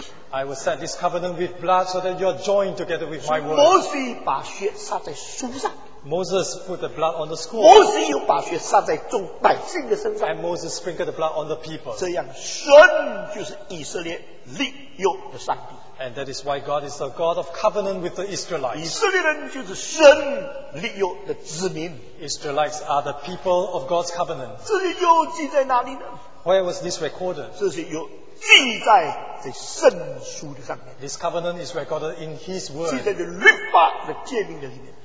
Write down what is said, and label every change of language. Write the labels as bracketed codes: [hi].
[en] I will set this covenant with blood so that you are joined together with my word. [zh] 摩西把血撒在书上, [en] Moses put the blood on the scroll, and Moses sprinkled the blood on the people. [zh] 这样神就是以色列立约的上帝, [en] and that is why God is the God of covenant with the Israelites. [zh] 以色列人就是神立约的子民, [en] Israelites are the people of God's covenant. [zh] 这里又记在哪里呢? [en] Where was this recorded? [zh] 这是有 记在这圣书的上面, [en] this covenant is recorded in his word, [zh] 记在律法的诫命的里面,